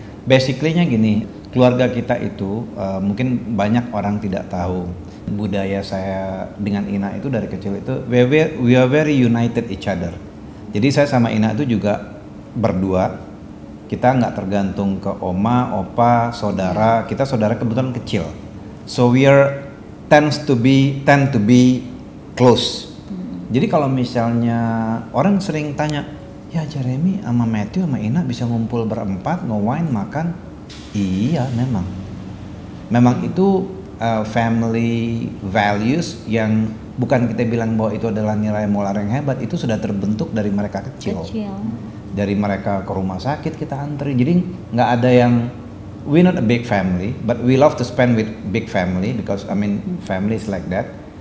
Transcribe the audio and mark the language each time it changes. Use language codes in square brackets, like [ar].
[id] Basically-nya gini, keluarga kita itu mungkin banyak orang tidak tahu. Budaya saya dengan Ina itu dari kecil itu, [en] we are very united each other. [id] Jadi saya sama Ina itu juga berdua, kita nggak tergantung ke oma, opa, saudara, kita saudara kebetulan kecil. [en] So we are tend to be close. [id] Jadi kalau misalnya orang sering tanya, ya Jeremy sama Matthew sama Ina bisa ngumpul berempat, ngowain, makan. Iya memang. Memang itu family values yang bukan kita bilang bahwa itu adalah nilai moral yang hebat, itu sudah terbentuk dari mereka kecil. Dari mereka ke rumah sakit kita antri, jadi gak ada yang, [en] we not a big family, but we love to spend with big family, because I mean family is like that.